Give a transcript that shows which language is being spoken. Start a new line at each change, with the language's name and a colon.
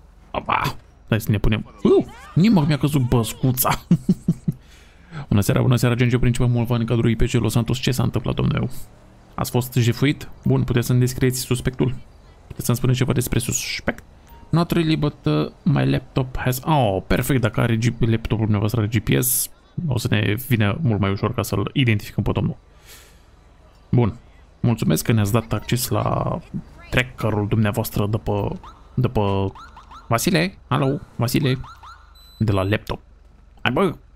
Romanian: Opa. Hai să ne punem. Nimic mi-a căzut băscuța. Bună seara, genge principal Mulvan, în cadrul IPC Los Santos. Ce s-a întâmplat, domnule? Ați fost jefuit? Bun, puteți să-mi descrieți suspectul? Puteți să-mi spuneți ceva despre suspect?
English: Not really, but my laptop has...
Romanian: Oh, perfect, dacă are laptopul dumneavoastră are GPS, o să ne vină mult mai ușor ca să-l identificăm pe domnul. Bun, mulțumesc că ne-ați dat acces la trackerul dumneavoastră după Vasile, alo, Vasile, de la laptop. Hai, bă!